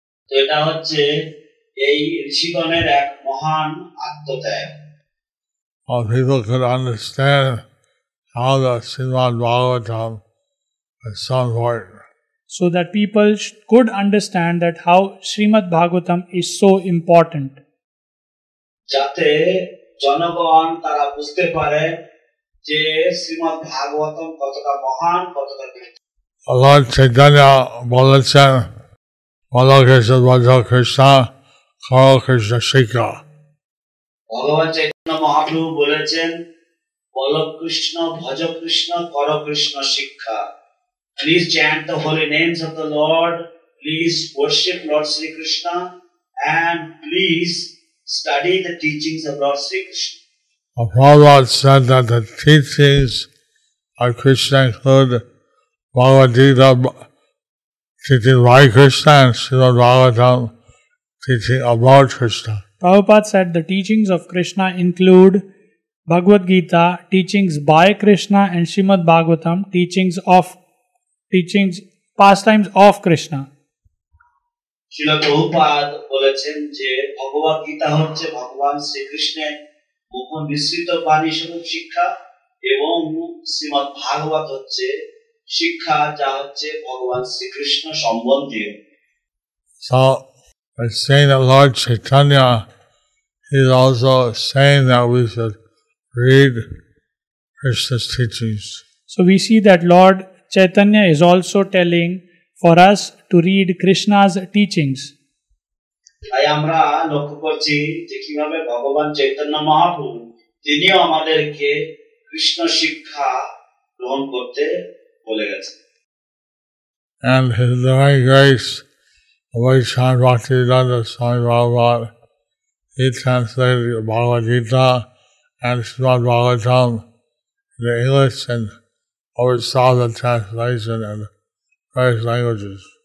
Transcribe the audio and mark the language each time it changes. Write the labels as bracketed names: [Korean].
[Bangla] Eta hocche ei rishigoner ek mohan attyag. [English] All people could understand how the Srimad-Bhagavatam is so important. So that people could understand that how Srimad-Bhagavatam is so important. [Bangla] যাতে জনগণ তারা বুঝতে পারে যে শ্রীমদ্ভাগবতম কতটা মহান কতটা ভগবান চৈতন্য বলেছেন বলকৃষ্ণ বজ্র কৃষ্ণ কর কৃষ্ণ শিখা। ভগবান চৈতন্য মহাপ্রভু বলেছেন বলকৃষ্ণ ভজ কৃষ্ণ কর কৃষ্ণ শিক্ষা। [English] Please chant the holy names of the Lord, please worship Lord Shri Krishna and please study the teachings of Lord Sri Krishna. Prabhupada said that the teachings of Krishna include Bhagavad Gita teaching by Krishna and Srimad Bhagavatam teaching about Krishna. Prabhupada said the teachings of Krishna include Bhagavad Gita teachings by Krishna and Srimad Bhagavatam teachings pastimes of Krishna. [Bangla] শিল প্রভুপাদ বলেছেন যে ভগবদ গীতা হচ্ছে ভগবান শ্রীকৃষ্ণের মুখন বিস্তৃত বাণী স্বরূপ শিক্ষা এবং শ্রীমদ ভাগবত হচ্ছে শিক্ষা যা হচ্ছে ভগবান শ্রীকৃষ্ণ সম্বন্ধীয়। [English] So, by saying that Lord Chaitanya, he is also saying that we should read Krishna's teachings. So we see that Lord Chaitanya is also telling for us to read Krishna's teachings. [Bangla] তাই আমরা লক্ষ্য করছি যে কিভাবে ভগবান চৈতন্য মহাপ্রভু তিনি আমাদেরকে কৃষ্ণ শিক্ষা গ্রহণ করতে বলে গেছেন। [English] And his divine grace, Vaishnava Bhakti Vedanta Swami Prabhupada, he translated the Bhagavad Gita and Srimad Bhagavatam into English and oversaw the translation and various languages.